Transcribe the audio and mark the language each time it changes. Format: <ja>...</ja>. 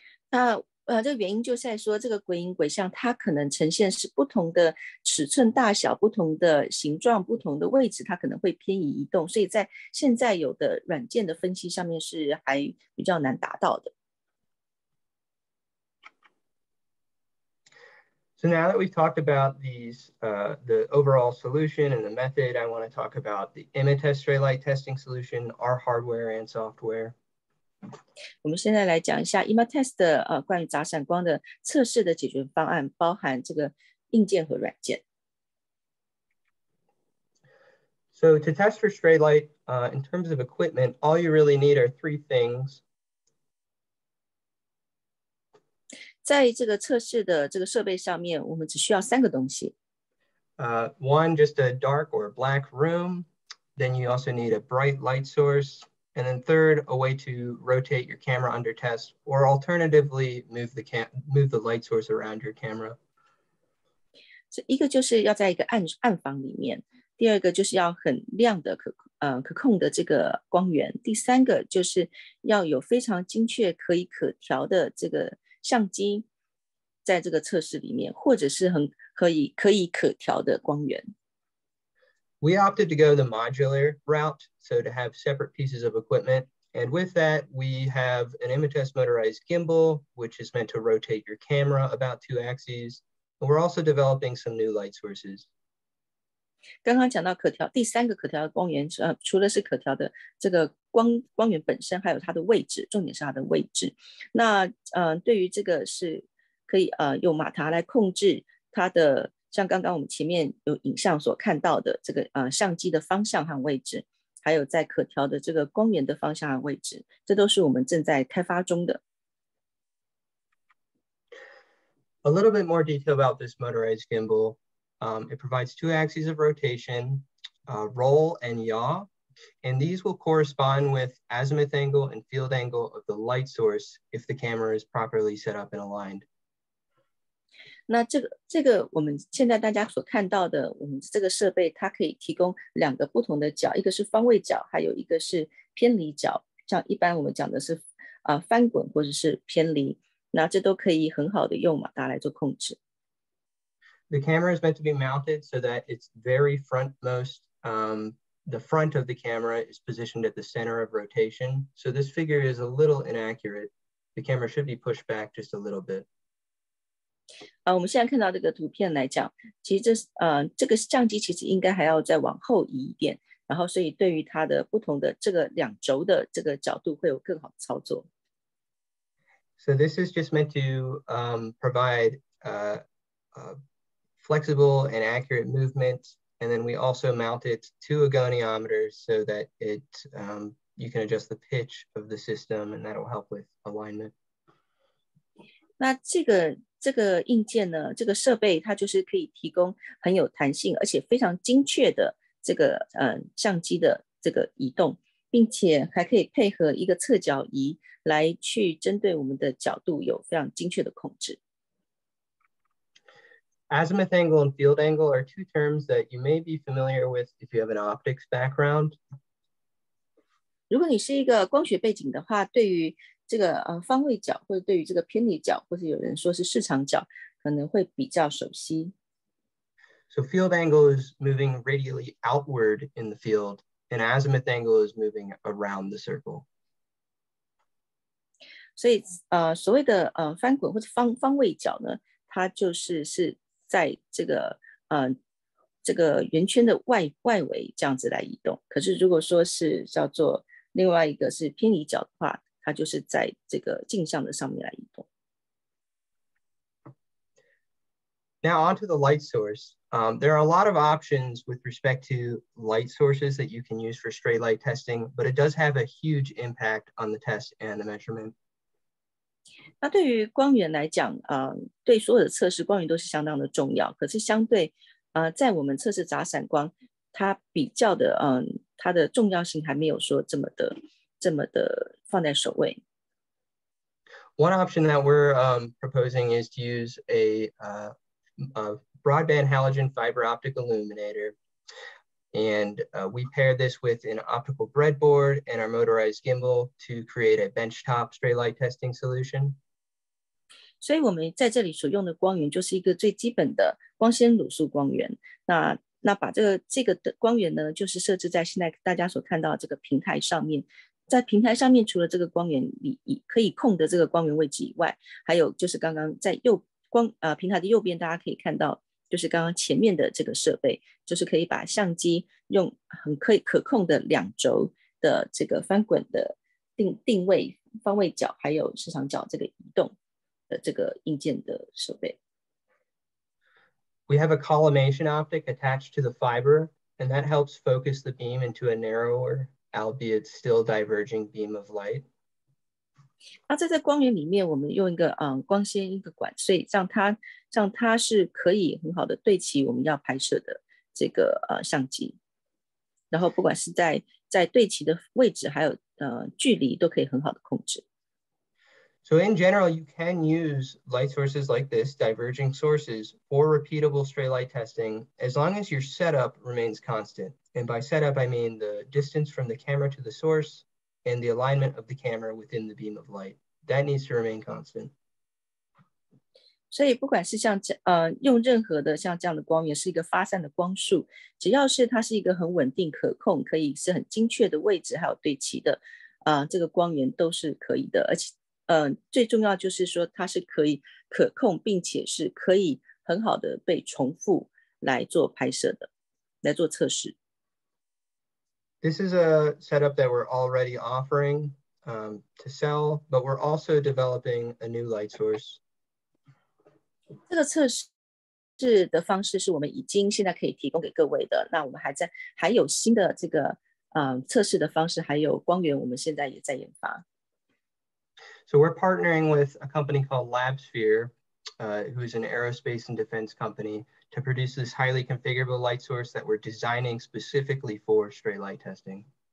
<zh>那这个原因就是在说这个鬼影鬼像它可能呈现是不同的尺寸大小不同的形状不同的位置它可能会偏移移动所以在现在有的软件的分析上面是还比较难达到的</zh> <en>So now that we've talked about these, the overall solution and the method, I want to talk about the IMITA Straylight testing solution, our hardware and software.</en> <zh>我们现在来讲一下 IMATEST 的关于杂闪光的测试的解决方案，包含这个硬件和软件。</zh> <en>So to test for stray light, in terms of equipment, all you really need are three things.</en> <zh>在这个测试的这个设备上面，我们只需要三个东西。</zh> <en>One, just a dark or black room. Then you also need a bright light source. And then third, a way to rotate your camera under test, or alternatively, move the light source around your camera.</en> <zh>So, 一个就是要在一个暗房里面，第二个就是要很亮的可控的这个光源，第三个就是要有非常精确可以可调的这个相机，在这个测试里面，或者是很可以可调的光源。</zh> <en>We opted to go the modular route, so to have separate pieces of equipment. And with that, we have an IMATEST motorized gimbal, which is meant to rotate your camera about two axes. And we're also developing some new light sources.</en> <zh>刚刚讲到可调，第三个可调的光源，除了是可调的这个光源本身，还有它的位置，重点是它的位置。那对于这个是可以用马达来控制它的。像刚刚我们前面有影像所看到的这个相机的方向和位置，还有在可调的这个光源的方向和位置，这都是我们正在开发中的。</zh> <en>A little bit more detail about this motorized gimbal. It provides two axes of rotation, roll and yaw, and these will correspond with azimuth angle and field angle of the light source if the camera is properly set up and aligned.</en> <zh>那这个我们现在大家所看到的我们这个设备它可以提供两个不同的角一个是方位角还有一个是偏离角像一般我们讲的是翻滚或者是偏离那这都可以很好的用马达来做控制</zh> <en>The camera is meant to be mounted so that it's very frontmost the front of the camera is positioned at the center of rotation so this figure is a little inaccurate the camera should be pushed back just a little bit</en> <zh>我们现在看到这个图片来讲，其实这个相机其实应该还要再往后移一点，然后所以对于它的不同的这个两轴的这个角度会有更好的操作。</zh> <en>So this is just meant to provide flexible and accurate movement, and then we also mount it to a goniometer so that it you can adjust the pitch of the system, and that will help with alignment.</en> <zh>那这个硬件呢，这个设备它就是可以提供很有弹性，而且非常精确的这个相机的这个移动，并且还可以配合一个侧角仪来去针对我们的角度有非常精确的控制。</zh> <en>Azimuth angle and field angle are two terms that you may be familiar with if you have an optics background.</en> <zh>如果你是一个光学背景的话，对于这个方位角或者对于这个偏离角或者有人说是视场角可能会比较熟悉</zh> <en>So field angle is moving radially outward in the field and azimuth angle is moving around the circle</en> <zh>所以所谓的翻滚或者方位角呢它就是在这个圆圈的外围这样子来移动可是如果说是叫做另外一个是偏离角的话它就是在这个镜像的上面来移动。</zh> <en>Now onto the light source. There are a lot of options with respect to light sources that you can use for stray light testing, but it does have a huge impact on the test and the measurement.</en> <zh>那对于光源来讲，对所有的测试，光源都是相当的重要。可是相对，在我们测试杂闪光，它比较的，它的重要性还没有说这么的放在首位。</zh> <en>One option that we're proposing is to use a broadband halogen fiber optic illuminator. And we paired this with an optical breadboard and our motorized gimbal to create a benchtop stray light testing solution.</en> <zh>所以我们在这里所用的光源就是一个最基本的光纤卤素光源。那把这个光源呢，就是设置在现在大家所看到的这个平台上面。在平台上面，除了这个光源里可以控的这个光源位置以外，还有就是刚刚在平台的右边，大家可以看到，就是刚刚前面的这个设备，就是可以把相机用很可控的两轴的这个翻滚的定位方位角，还有视场角这个移动的这个硬件的设备。</zh> <en>We have a collimation optic attached to the fiber, and that helps focus the beam into a narrower, albeit still diverging beam of light.</en> <zh>那在这光源里面，我们用一个光纤一个管，所以让它是可以很好的对齐我们要拍摄的这个相机，然后不管是在对齐的位置，还有距离都可以很好的控制。</zh> <en>So in general, you can use light sources like this, diverging sources, for repeatable stray light testing, as long as your setup remains constant. And by setup, I mean the distance from the camera to the source and the alignment of the camera within the beam of light. That needs to remain constant.</en> <zh>所以不管是像用任何的像这样的光源，是一个发散的光束，只要是它是一个很稳定可控，可以是很精确的位置还有对齐的这个光源都是可以的，而且最重要就是说它是可以可控，并且是可以很好的被重复来做拍摄的，来做测试。</zh> <en>This is a setup that we're already offering to sell, but we're also developing a new light source.</en> <zh>这个测试的方式是我们已经现在可以提供给各位的，那我们还有新的这个测试的方式，还有光源，我们现在也在研发。</zh> <en>So we're partnering with a company called LabSphere, who is an aerospace and defense company, to produce this highly configurable light source that we're designing specifically for stray light testing.</en>